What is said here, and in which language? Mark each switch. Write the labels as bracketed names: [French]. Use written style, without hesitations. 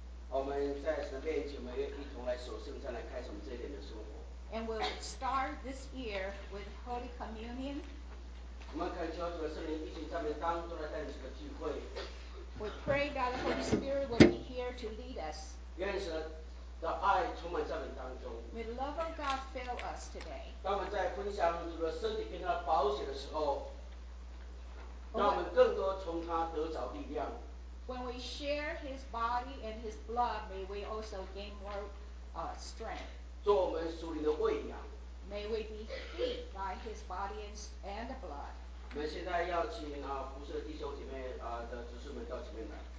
[Chinese] 我们在神面前，我们一同来守圣餐，来开始我们这一年的生活。 [English] And we'll start this year with Holy Communion. [Chinese] 我们恳求主的圣灵一起在我们当中来带领这个聚会。 [English] We pray that the Holy Spirit will be here to lead us. [Chinese] 愿神的爱充满在我们当中。 [English] May the love of God fill us today. [Chinese] 当我们在分享主的身体跟他保险的时候，让我们更多从他得着力量。 [English] When we share his body and his blood, may we also gain more strength. [Chinese] 做我们属灵的喂养。 [English] May we be fed by his body and the blood. [Chinese] 我们现在要请服侍的弟兄姐妹的执事们到前面来。